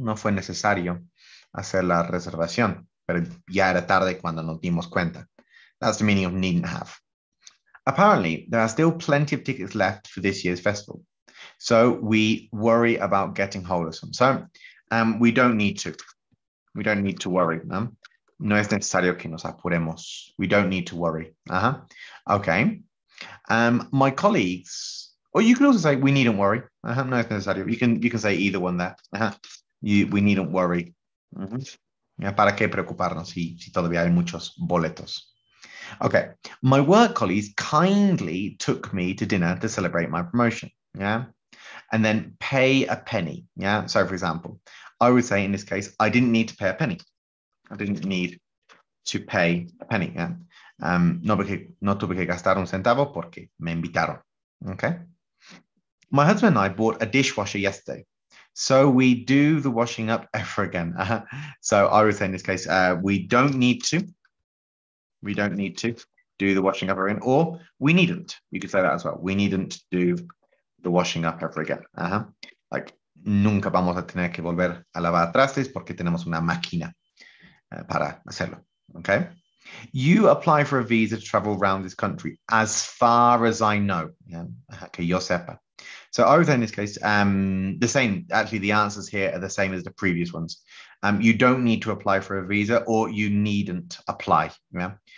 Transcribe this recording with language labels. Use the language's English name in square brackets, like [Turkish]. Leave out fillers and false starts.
[Spanish] No fue necesario hacer la reservación, pero ya era tarde cuando nos dimos cuenta. [English] That's the meaning of needn't have. Apparently, there are still plenty of tickets left for this year's festival. So we worry about getting hold of some. So we don't need to. We don't need to worry. [Spanish] No, no es necesario que nos apuremos. [English] We don't need to worry. Okay. My colleagues. Or you can also say we needn't worry. No, it's necessary. You can say either one there. We needn't worry. [Spanish] Yeah, para qué preocuparnos si todavía hay muchos boletos. [English] Okay, my work colleagues kindly took me to dinner to celebrate my promotion. Yeah, and then pay a penny. Yeah, so for example, I would say in this case I didn't need to pay a penny. I didn't need to pay a penny. [Spanish] Yeah, no tuve que gastar un centavo porque me invitaron. [English] Okay. My husband and I bought a dishwasher yesterday. So we do the washing up ever again. So I would say in this case, we don't need to. We don't need to. do the washing up again, or we needn't. You could say that as well. We needn't do the washing up ever again. [Spanish] Like, nunca vamos a tener que volver a lavar trastes porque tenemos una máquina para hacerlo. [English] Okay. You apply for a visa to travel around this country, as far as I know. Yeah. [Spanish] Que yo sepa. [English] So over in this case, the same, actually the answers here are the same as the previous ones. You don't need to apply for a visa, or you needn't apply. Yeah?